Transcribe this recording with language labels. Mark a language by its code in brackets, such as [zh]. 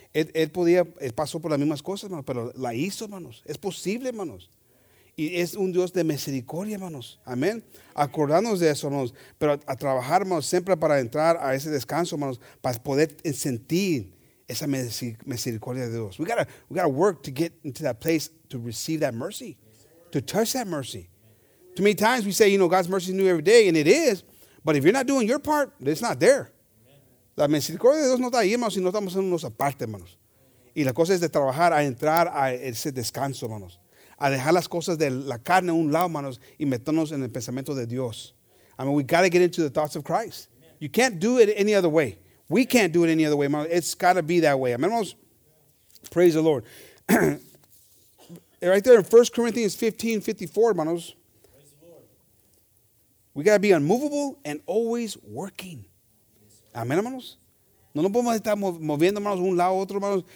[es] Él pasó por las mismas cosas, hermanos, pero la hizo, hermanos. Es posible, hermanos. Y es un Dios de misericordia, hermanos. Amén. Acordarnos de eso, hermanos. Pero a trabajar, hermanos, siempre para entrar a ese descanso, hermanos, para poder sentir esa misericordia de Dios. [en] We gotta work to get into that place to receive that mercy. To touch that mercy. Too many times we say, you know, God's mercy is new every day, and it is. But if you're not doing your part, it's not there. [es] La misericordia de Dios no está ahí, hermanos, si no estamos en nuestra parte, hermanos. Y la cosa es de trabajar a entrar a ese descanso, hermanos. A dejar las cosas de la carne a un lado, hermanos, y meternos en el pensamiento de Dios. [en] I mean, we got to get into the thoughts of Christ. You can't do it any other way. We can't do it any other way, hermanos. It's got to be that way. Amen, hermanos. Praise the Lord. Right there in 1 Corinthians 15:54, hermanos. Praise the Lord. We got to be unmovable and always working. [es] Amén, hermanos. No nos podemos estar moviendo, hermanos, un lado a otro, hermanos.